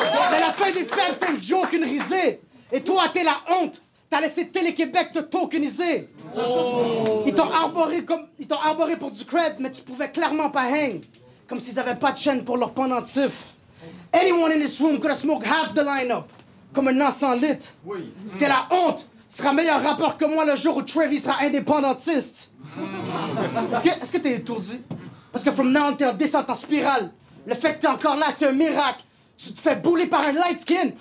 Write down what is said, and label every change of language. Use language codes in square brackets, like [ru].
[fr] Mais la fin des fêtes, c'est une joke, une risée. Et toi, t'es la honte. T'as laissé Télé-Québec te tokeniser. Ils t'ont arboré pour du cred, mais tu pouvais clairement pas hang. Comme s'ils avaient pas de chaîne pour leur pendentif. [en] Anyone in this room could have smoked half the lineup. [fr] Comme un 900 litres. Oui. T'es la honte. Tu seras meilleur rappeur que moi le jour où Trevi sera indépendantiste. Est-ce que t'es étourdi? Parce que [en] from now on, [fr] t'es en descente en spirale. Le fait que t'es encore là, c'est un miracle. Tu te fais bouler par un light skin.